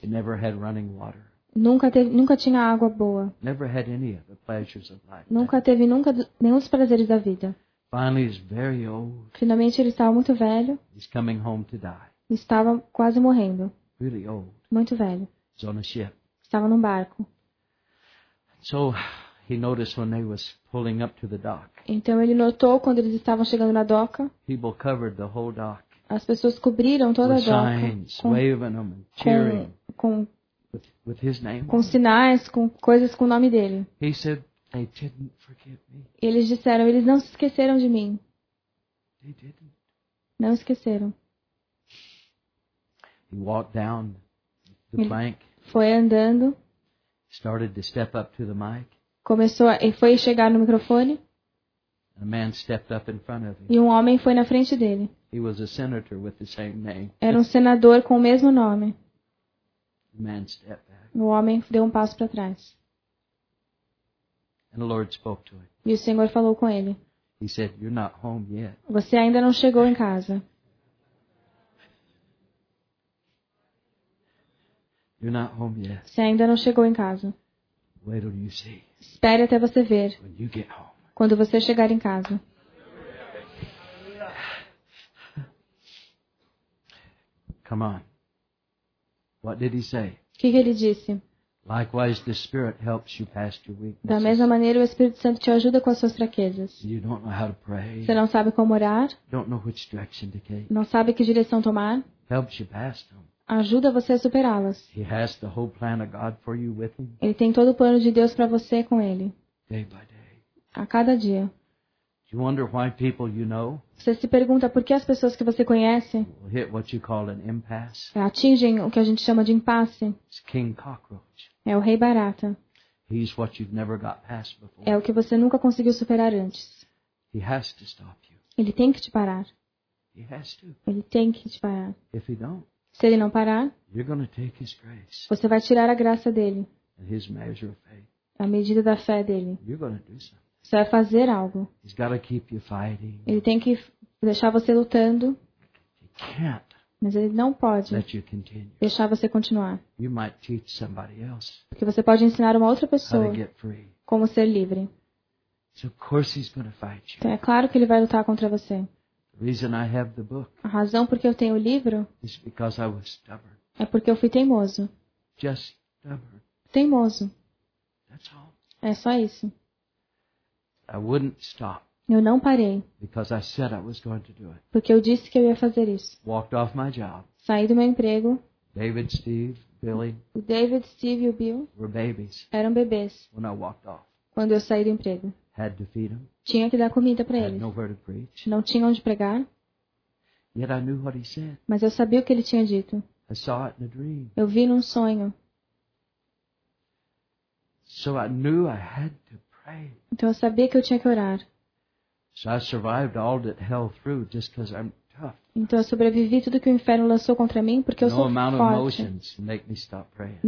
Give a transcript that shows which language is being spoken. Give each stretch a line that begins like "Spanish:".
English: He never had running water.
Portuguese: Nunca tinha água boa.
English: Never had any of the pleasures of life.
Portuguese: Nunca teve nenhum dos prazeres da vida.
English: Finally, he's very old.
Portuguese: Finalmente ele estava muito velho.
English: He's coming home to die.
Portuguese: Estava quase morrendo.
English: Really old.
Portuguese: Muito velho.
English: He's on a ship.
Portuguese: Estava num barco.
English: So he noticed when they was pulling up to the dock.
Portuguese: Então ele notou quando eles estavam chegando na doca.
English: People covered the whole dock.
Portuguese: As pessoas cobriram toda
English: with
Portuguese: a doca.
English: Signs, waving them and cheering. With his name.
Portuguese: Com sinais, com coisas com o nome dele.
English: He said. They didn't forget me.
Portuguese: Eles disseram, eles não se esqueceram de mim.
English: They didn't.
Portuguese: Não esqueceram.
English: He walked down the
Portuguese: ele
English: bank.
Portuguese: Foi andando.
English: Started to step up to the mic.
Portuguese: Começou e foi chegar no microfone.
English: A man stepped up in front of him.
Portuguese: E um homem foi na frente dele.
English: He was a senator with the same name.
Portuguese: Era um senador com o mesmo nome.
English: The man stepped back.
Portuguese: O homem deu um passo para trás.
English: And the Lord spoke to him.
Portuguese: E o Senhor falou com ele.
English: He said, "You're not home yet."
Portuguese: Você ainda não chegou em casa.
English: You're not home yet.
Portuguese: Você ainda não chegou em casa.
English: Wait till you see.
Portuguese: Espere até você ver.
English: When you get home.
Portuguese: Quando você chegar em casa.
English: Come on. What did he say?
Portuguese: Que ele disse?
English: Likewise, the Spirit helps you pass your weaknesses.
Portuguese: Da mesma maneira, o Espírito Santo te ajuda com as suas fraquezas.
English: You don't know how to pray.
Portuguese: Você não sabe como orar.
English: Don't know which direction to take.
Portuguese: Não sabe que direção tomar.
English: Helps you pass them.
Portuguese: Ajuda você a superá-las.
English: He has the whole plan of God for you with him.
Portuguese: Ele tem todo o plano de Deus para você com ele.
English: Day by day.
Portuguese: A cada dia.
English: Do you wonder why people you know?
Portuguese: Você se pergunta por que as pessoas que você conhece
English: hit what you call an impasse.
Portuguese: Atingem o que a gente chama de impasse.
English: It's King Cockroach.
Portuguese: É o rei barata.
English: He's what you've never got past before.
Portuguese: É o que você nunca conseguiu superar antes.
English: He has to stop you.
Portuguese: Ele tem que te parar.
English: He has to.
Portuguese: Ele tem que te parar.
English: If he don't,
Portuguese: se ele não parar,
English: you're gonna take his grace.
Portuguese: Você vai tirar a graça dele.
English: And his measure of faith.
Portuguese: A medida da fé dele.
English: You're gonna do something.
Portuguese: Você vai fazer algo.
English: He's gotta keep you fighting.
Portuguese: Ele tem que deixar você lutando.
English: He can't.
Portuguese: Mas ele não pode
English: let you continue.
Portuguese: Deixar você continuar.
English: You might teach somebody else.
Portuguese: Porque você pode ensinar uma outra pessoa
English: how to get free.
Portuguese: Como ser livre.
English: So of course he's gonna fight you.
Portuguese: Então é claro que ele vai lutar contra você.
English: The reason I have the book
Portuguese: a razão porque eu tenho o livro
English: is because I was stubborn.
Portuguese: É porque eu fui teimoso.
English: Just stubborn.
Portuguese: Teimoso.
English: That's all.
Portuguese: É só isso.
English: I wouldn't stop.
Portuguese: Eu não parei.
English: Because I said I was going to do it.
Portuguese: Porque eu disse que eu ia fazer isso.
English: Walked off my job.
Portuguese: Saí do meu emprego.
English: David, Steve, Billy.
Portuguese: O David, Steve e o Bill.
English: Were babies.
Portuguese: Eram bebês.
English: When I walked off.
Portuguese: Quando eu saí do emprego.
English: Had to feed them.
Portuguese: Tinha que dar comida para eles.
English: Had nowhere to preach.
Portuguese: Não tinha onde pregar.
English: Yet I knew what he said.
Portuguese: Mas eu sabia o que ele tinha dito.
English: I saw it in a dream.
Portuguese: Eu vi num sonho.
English: So I knew I had to pray.
Portuguese: Então eu sabia que eu tinha que orar.
English: So I survived all that hell through just because I'm tough.
Portuguese: Então eu sobrevivi tudo que o inferno lançou contra mim porque eu sou forte.
English: No amount of emotions make me stop praying.